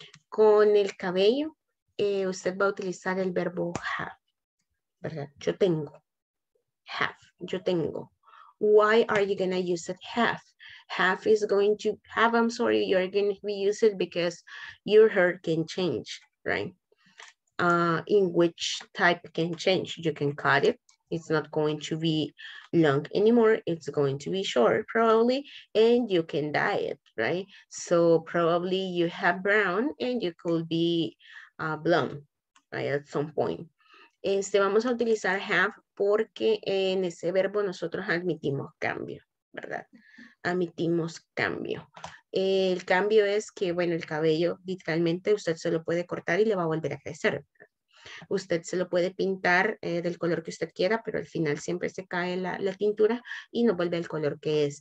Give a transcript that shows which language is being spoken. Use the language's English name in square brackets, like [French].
[Spanish] Con el cabello, usted va a utilizar el verbo have, ¿verdad? Yo tengo. Have. Yo tengo. [English] Why are you going to use it have? Have is going to have, I'm sorry, you're going to use it because your hair can change, right? In which type can change? You can cut it. It's not going to be long anymore. It's going to be short, probably, and you can dye it, right? So probably you have brown and you could be blonde, right, at some point. [Spanish] Vamos a utilizar have porque en ese verbo nosotros admitimos cambio, ¿verdad? Admitimos cambio. El cambio es que, bueno, el cabello literalmente usted se lo puede cortar y le va a volver a crecer. usted se lo puede pintar del color que usted quiera, pero al final siempre se cae la tintura y no vuelve al color que es.